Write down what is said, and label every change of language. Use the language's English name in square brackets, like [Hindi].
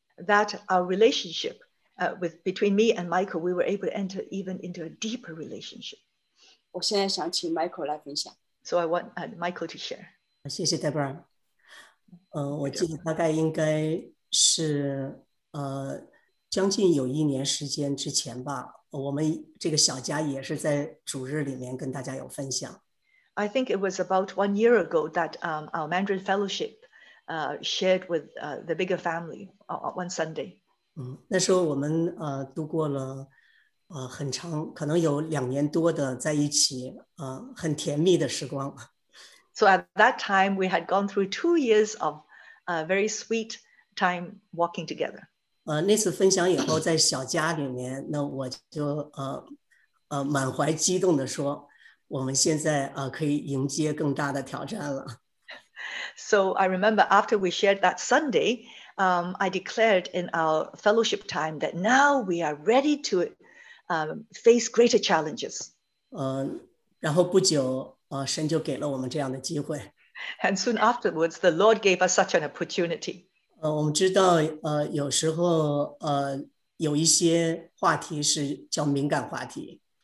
[English] That our relationship with between me and Michael, we were able to enter even into a deeper relationship. [Chinese] 我现在想请 Michael 来分享。 [English] So I want Michael to share. [Chinese] 谢谢 Deborah。我记得大概应该是将近有一年时间之前吧，我们这个小家也是在主日里面跟大家有分享。 [English] I think it was about 1 year ago that our Mandarin Fellowship shared with the bigger family one Sunday. [Chinese] 那时候我们度过了很长，可能有2年多的在一起很甜蜜的时光。 [English] So at that time we had gone through 2 years of a very sweet time walking together. [Chinese] 那次分享以后在小家里面，那我就满怀激动地说，我们现在可以迎接更大的挑战了。 [English] So I remember after we shared that Sunday, I declared in our fellowship time that now we are ready to face greater challenges. [Chinese] 然后不久神就给了我们这样的机会。 [English] And soon afterwards, the Lord gave us such an opportunity. [Chinese] 我们知道有时候有一些话题是叫敏感话题。